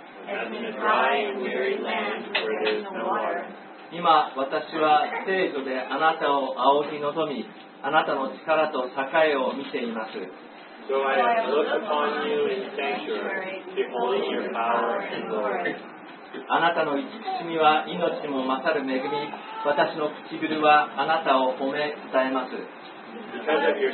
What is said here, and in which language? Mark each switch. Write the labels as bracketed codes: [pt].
[en] As in a dry and weary land where there is no water. [ja] 今私は聖女であなたを仰ぎ望み、あなたの力と栄えを見ています。 [en] So I look upon you in sanctuary, beholding your power and glory. [ja] あなたの慈しみは命にも勝る恵み、私の唇はあなたを褒め伝えます。